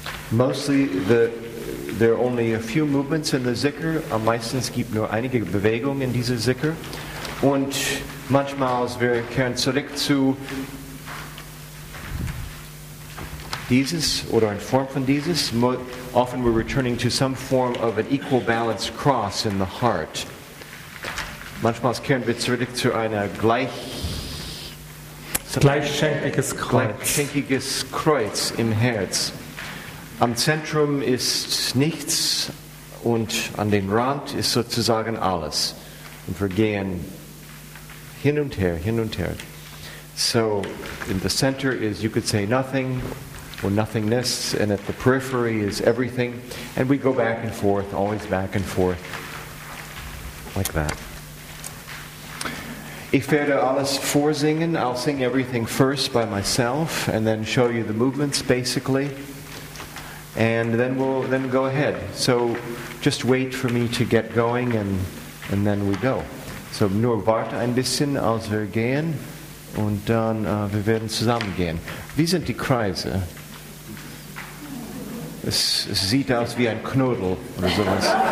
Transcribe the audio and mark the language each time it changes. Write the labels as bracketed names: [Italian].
[English] Mostly, there are only a few movements in the Zikr. [German] Meistens gibt nur einige Bewegungen in dieser Zikr. Und manchmal, wir kehren zurück zu dieses oder in Form von dieses. [English] Often we're returning to some form of an equal balance cross in the heart. [German] Manchmal kehren wir zurück zu einer gleichschenkiges Kreuz im Herz. Am Zentrum ist nichts und an den Rand ist sozusagen alles. Und wir gehen hin und her, hin und her. [English] So in the center is, you could say, nothing or nothingness, and at the periphery is everything. And we go back and forth, always back and forth, like that. [German] Ich werde alles vorsingen. [English] I'll sing everything first by myself and then show you the movements basically. And then we'll then go ahead. So just wait for me to get going and then we go. [German] So nur warte ein bisschen, als wir gehen und dann wir werden zusammen gehen. Wie sind die Kreise? Es sieht aus wie ein Knödel oder sowas.